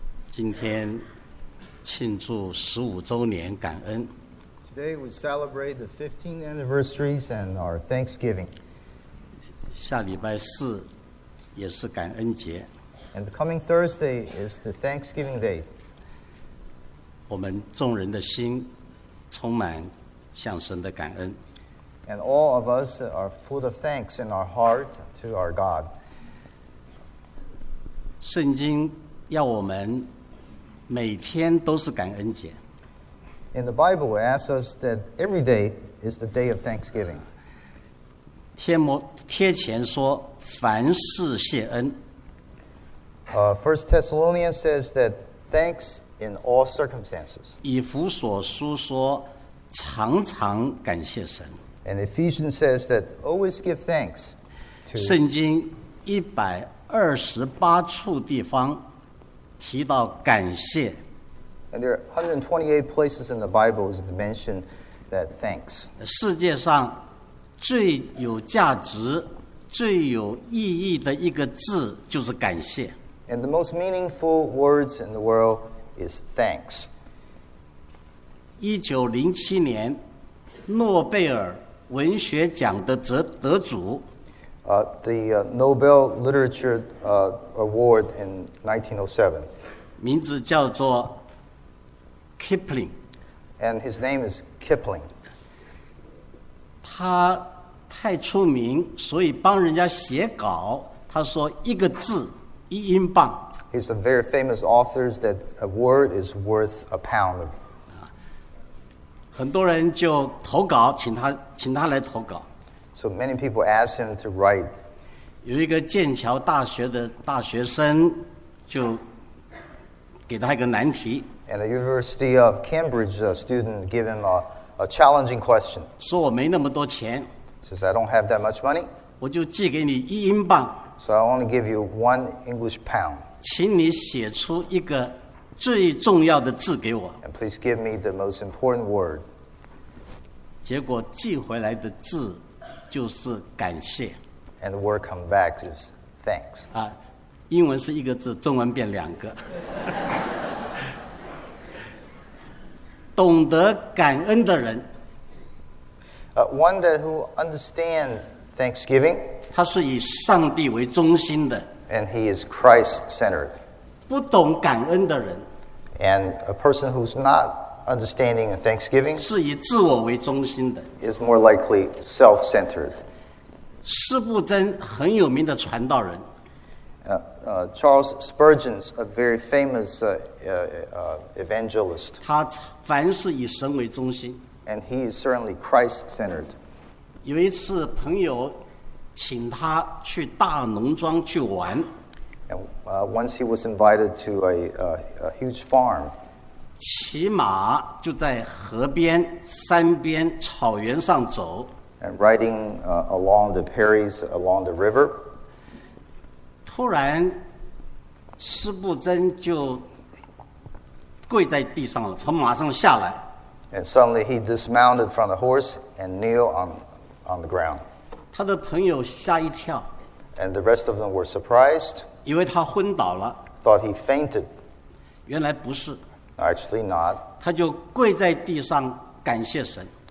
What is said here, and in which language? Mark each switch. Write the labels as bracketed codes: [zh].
[zh] 今天庆祝十五周年感恩。 [en] Today we celebrate the 15th anniversary and our Thanksgiving. [zh] 下礼拜四也是感恩节。 [en] And the coming Thursday is the Thanksgiving Day. [zh] 我们众人的心充满向神的感恩。 [en] And all of us are full of thanks in our heart to our God. [zh] 圣经要我们每天都是感恩节。 [en] In the Bible, it asks us that every day is the day of Thanksgiving. [zh] 帖前说凡事谢恩。 [en] First Thessalonians says that thanks in all circumstances. [zh] 以弗所书说常常感谢神。 [en] And Ephesians says that always give thanks. [zh] 圣经128处地方提到感谢。 [en] And there are 128 places in the Bible that mention that thanks. [zh] 世界上最有价值、最有意义的一个字就是感谢。 [en] And the most meaningful words in the world is thanks. [zh] 1907年，诺贝尔文学奖的得主。 [en] Nobel Literature Award in 1907. [zh] 名字叫做 Kipling. [en] And his name is Kipling. [zh] 他太出名，所以帮人家写稿。他说一个字一英镑。 [en] He's a very famous author that a word is worth a pound. [zh] 很多人就投稿，请他来投稿。 [en] So many people asked him to write. [zh] 有一个剑桥大学的大学生就给他一个难题。 [en] And the University of Cambridge student gave him a challenging question. [zh] 说我没那么多钱。 [en] Says I don't have that much money. [zh] 我就寄给你一英镑。 [en] So I only give you one English pound. [zh] 请你写出一个最重要的字给我。 [en] And please give me the most important word. [zh] 结果寄回来的字就是感谢。 [en] And the word come back is thanks. [zh] 啊，英文是一个字，中文变两个。懂得感恩的人。 [en] One that who understand thanksgiving. [zh] 他是以上帝为中心的。 [en] And he is Christ-centered. [zh] 不懂感恩的人。 [en] And a person who's not understanding and thanksgiving [zh] 是以自我为中心的。 [en] is more likely self-centered. [zh] 施布真很有名的传道人。 [en] Charles Spurgeon is a very famous evangelist. [zh] 他凡是以神为中心。 [en] And he is certainly Christ-centered. [zh] 有一次朋友请他去大农庄去玩。 [en] Once he was invited to a huge farm, [zh] 骑马就在河边、山边、草原上走。 [en] And riding along the prairies along the river, [zh] 突然，施布真就跪在地上了，从马上下来。 [en] And suddenly he dismounted from the horse and kneeled on the ground. [zh] 他的朋友吓一跳。 [en] And the rest of them were surprised. [zh] 以为他昏倒了。 [en] Thought he fainted. [zh] 原来不是。 [en] Actually not. [zh] 他就跪在地上感谢神。